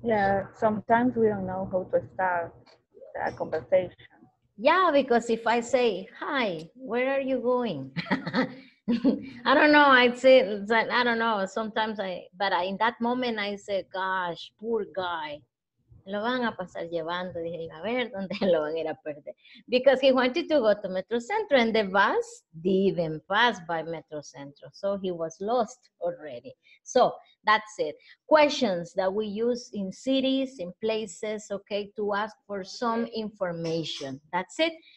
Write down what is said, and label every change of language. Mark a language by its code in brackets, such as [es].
[en] Yeah, sometimes we don't know how to start a conversation. Yeah, because if I say, hi, where are you going? I don't know, I'd say, I don't know, sometimes but in that moment I say, gosh, poor guy. [es] Lo van a pasar llevando, dije, a ver, ¿dónde lo van a ir a perder? [en] Because he wanted to go to Metro Centro, and the bus didn't pass by Metro Centro, so he was lost already. So that's it. Questions that we use in cities, in places, okay, to ask for some information. That's it.